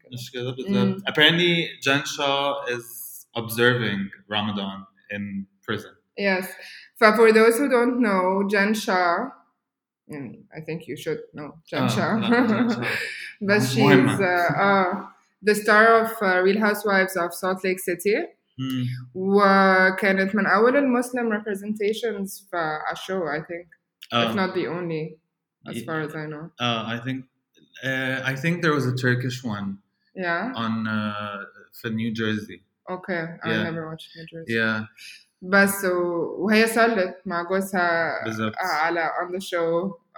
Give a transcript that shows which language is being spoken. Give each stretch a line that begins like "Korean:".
Arabic: مش كده بالذات.
English: Apparently, Jen Shah is observing Ramadan in prison. Yes. But for those who don't know, Jen Shah, I think you should know Jen Shah. But she's the star of Real Housewives of Salt Lake City.
Arabic: وكانت من أول المسلم
English: representations
Arabic: في الشو,
English: I think. If not the only, as far as I know. I think there was a Turkish one. Yeah. On for New Jersey. Okay, yeah. I never watched New Jersey. Yeah.
Arabic: بس وهي صلت مع جوزها على
English: on the show